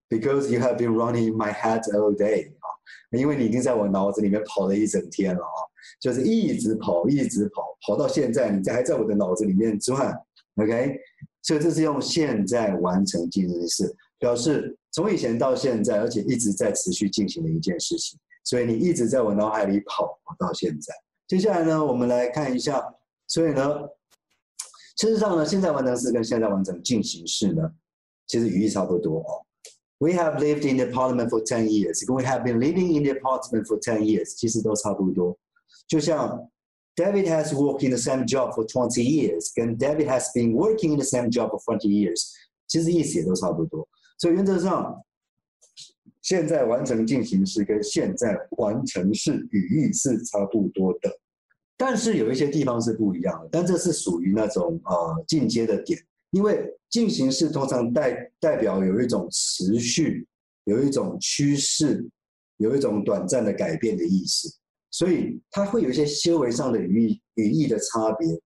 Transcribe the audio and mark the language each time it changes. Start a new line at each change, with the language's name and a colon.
English: Because you have been running my head all day.
Chinese: 因为你已经在我脑子里面跑了一整天了，就是一直跑一直跑，跑到现在你还在我的脑子里面转。 OK， 所以这是用现在完成进行式，表示从以前到现在而且一直在持续进行的一件事情，所以你一直在我脑海里跑到现在。接下来呢，我们来看一下，所以呢，事实上呢，现在完成式跟现在完成进行式呢，其实语义差不多哦。
English: We have lived in the apartment for 10 years. We have been living in the apartment for 10 years.
Chinese: 其实都差不多。就像
English: David has worked in the same job for 20 years,
Chinese: 跟
English: David has been working in the same job for 20 years.
Chinese: 其实意思也都差不多。所以原则上，现在完成进行式跟现在完成式语义是差不多的。但是有一些地方是不一样的，但这是属于那种进阶的点，因为进行式通常代表有一种持续，有一种趋势，有一种短暂的改变的意思，所以它会有一些修为上的语义的差别。